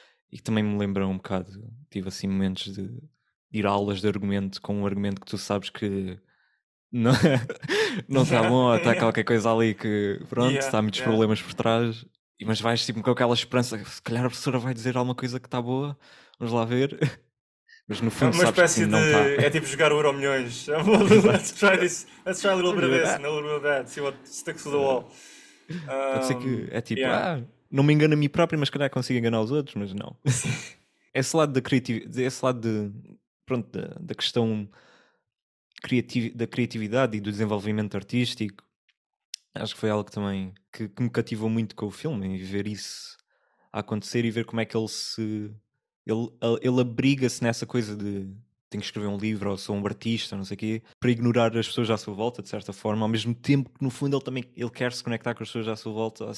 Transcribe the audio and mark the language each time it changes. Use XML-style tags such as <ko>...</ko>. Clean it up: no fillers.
<pt>E também me lembrou um bocado. Tive assim momentos de ir a aulas de argumento com um argumento que tu sabes que não está bom, está qualquer coisa ali que pronto, está muitos problemas por trás. Mas vais tipo com aquela esperança: se calhar a professora vai dizer alguma coisa que está boa, vamos lá ver. Mas no fundo Uma sabes que espécie não está. de. É tipo jogar o Euromilhões. Exato.</pt> <en>Let's try a little bit of this and a little bit of that. See what sticks to the wall.</en> <pt>Pode ser que é tipo, ah, não me engano a mim próprio, mas calhar consigo enganar os outros, mas não. Esse lado da criatividade, esse lado de, pronto, da questão da criatividade e do desenvolvimento artístico, acho que foi algo também que me cativou muito com o filme, e ver isso acontecer e ver como é que ele abriga-se nessa coisa de tenho que escrever um livro, ou sou um artista, não sei o quê, para ignorar as pessoas à sua volta, de certa forma, ao mesmo tempo que, no fundo, ele quer se conectar com as pessoas à sua volta.</pt>